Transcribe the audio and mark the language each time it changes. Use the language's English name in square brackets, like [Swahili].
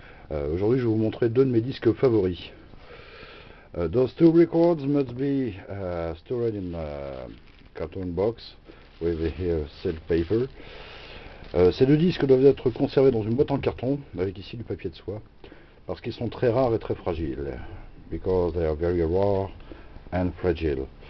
[French] Aujourd'hui je vais vous montrer deux de mes disques favoris. [English] Those two records must be stored in a carton box with sellotape. [French] Ces deux disques doivent être conservés dans une boîte en carton avec ici du papier de soie parce qu'ils sont très rares et très fragiles. [English] Because they are very rare and fragile.